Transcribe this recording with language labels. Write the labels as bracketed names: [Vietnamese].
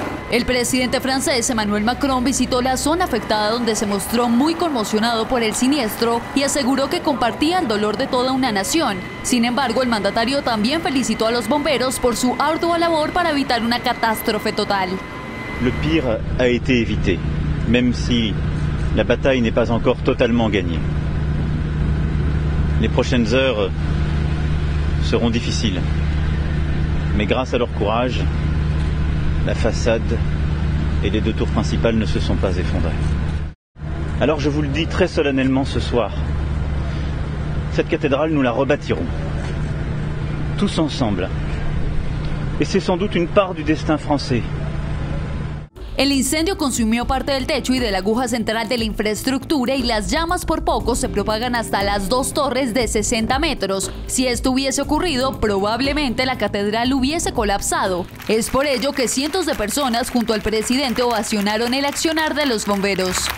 [Spanish] El presidente francés Emmanuel Macron visitó la zona afectada, donde se mostró muy conmocionado por el siniestro y aseguró que compartía el dolor de toda una nación. Sin embargo, el mandatario también felicitó a los bomberos por su ardua labor para evitar una catástrofe total. [French] Le pire a été évité, même si la bataille n'est pas encore totalement gagnée. Les prochaines heures seront difficiles, mais grâce à leur courage, la façade et les deux tours principales ne se sont pas effondrées. Alors je vous le dis très solennellement ce soir, cette cathédrale, nous la rebâtirons, tous ensemble. Et c'est sans doute une part du destin français. [Spanish] El incendio consumió parte del techo y de la aguja central de la infraestructura y las llamas por poco se propagan hasta las dos torres de 60 metros. Si esto hubiese ocurrido, probablemente la catedral hubiese colapsado. Es por ello que cientos de personas junto al presidente ovacionaron el accionar de los bomberos.